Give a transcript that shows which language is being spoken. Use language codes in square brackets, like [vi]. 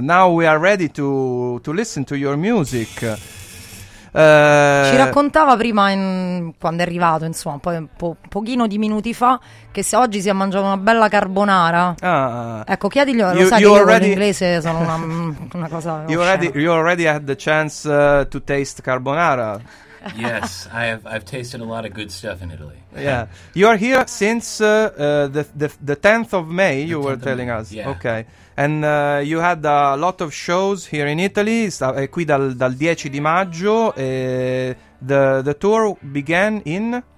[en] Now we are ready to listen to your music. [it] Ci raccontava prima, quando è arrivato, insomma, un pochino di minuti fa, che se oggi si è mangiato una bella carbonara. Ecco, chiedigli, lo sai che [en] already... [it] in inglese sono una cosa... [en] You already had the chance to taste carbonara. Yes, I've tasted a lot of good stuff in Italy. Yeah, you are here since the 10th of May, the you were telling May. Us. Yeah. Okay, and you had a lot of shows here in Italy, [it] qui dal 10 di maggio, [en] the tour began in?